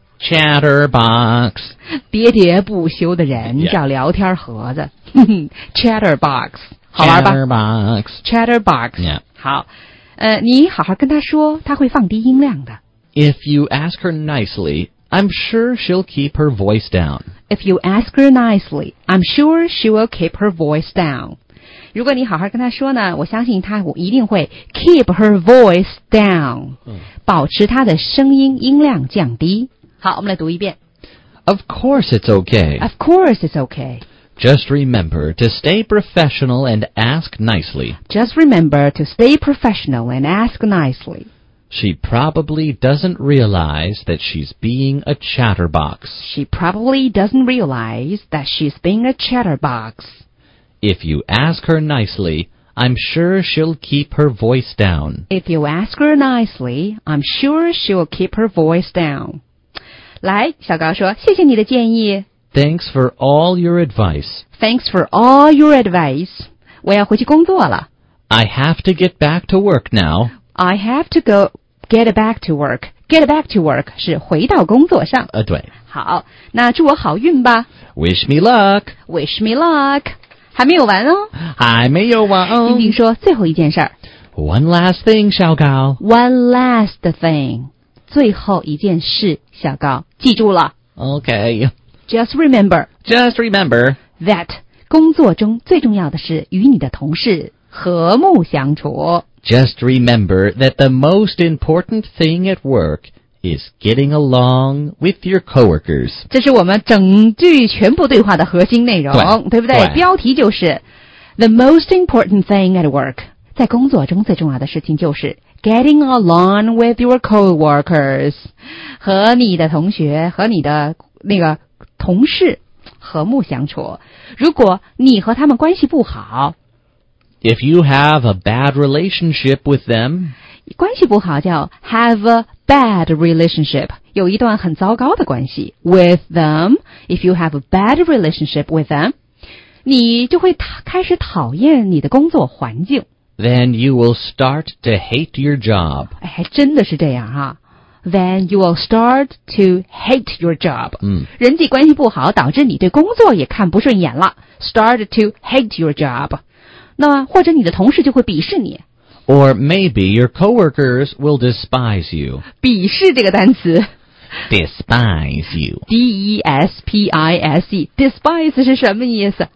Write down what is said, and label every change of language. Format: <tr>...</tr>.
<en>Chatterbox.</en> <zh>喋喋不休的人叫聊天盒子。</zh> <en>Chatterbox.</en> <zh>好玩吧</zh> <en>？Chatterbox. Chatterbox. Yeah.</en> <zh>好，你好好跟他说，他会放低音量的。</zh> <en>If you ask her nicely. I'm sure she'll keep her voice down. If you ask her nicely, I'm sure she will keep her voice down.</en> <zh>如果你好好跟她说呢，我相信她一定会</zh> <en>keep her voice down,、</en> <zh>保持她的声音音量降低。好，我们来读一遍。</zh> <en>Of course it's okay. Of course it's okay. Just remember to stay professional and ask nicely. Just remember to stay professional and ask nicely. She probably doesn't realize that she's being a chatterbox. She probably doesn't realize that she's being a chatterbox. If you ask her nicely, I'm sure she'll keep her voice down. If you ask her nicely, I'm sure she'll keep her voice down.</en> <zh>来，小高说，谢谢你的建议。</zh> <en>Thanks for all your advice. Thanks for all your advice.</en> <zh>我要回去工作了。</zh> <en>I have to get back to work now. I have to go get back to work. Get back to work</en> <zh>是回到工作上。对。好，那祝我好运吧。</zh> <en>Wish me luck. Wish me luck.</en> <zh>还没有完哦。还没有完哦。丁丁说最后一件事儿。</zh> <en>One last thing, 小高。 One last thing.</en> <zh>最后一件事，小高，记住了。</zh> <en>Okay. Just remember. Just remember.</en> <zh>That 工作中最重要的是与你的同事和睦相处。</zh> <en>Just remember that the most important thing at work is getting along with your coworkers.</en> <zh>这是我们整句全部对话的核心内容，对不对？标题就是</zh> <en>The most important thing at work.</en> <zh>在工作中最重要的事情就是</zh> <en>getting along with your coworkers.</en> <zh>和你的同学，和你的那个同事和睦相处。如果你和他们关系不好，</zh> <en>If you have a bad relationship with them,</en> <zh>关系不好叫</zh> <en>have a bad relationship,</en> <zh>有一段很糟糕的关系</zh> <en>with them, if you have a bad relationship with them,</en> <zh>你就会开始讨厌你的工作环境。</zh> <en>Then you will start to hate your job.</en> <zh>哎，还真的是这样啊。</zh> <en>Then you will start to hate your job.</en> <zh>人际关系不好导致你对工作也看不顺眼了。</zh> <en>Start to hate your job.</en> <zh>那或者你的同事就会鄙视你</zh> <en>Or maybe your coworkers will despise you</en> <zh>鄙视这个单词</zh> <en>Despise you</en> <zh>D-E-S-P-I-S-E Despise 是什么意思</zh>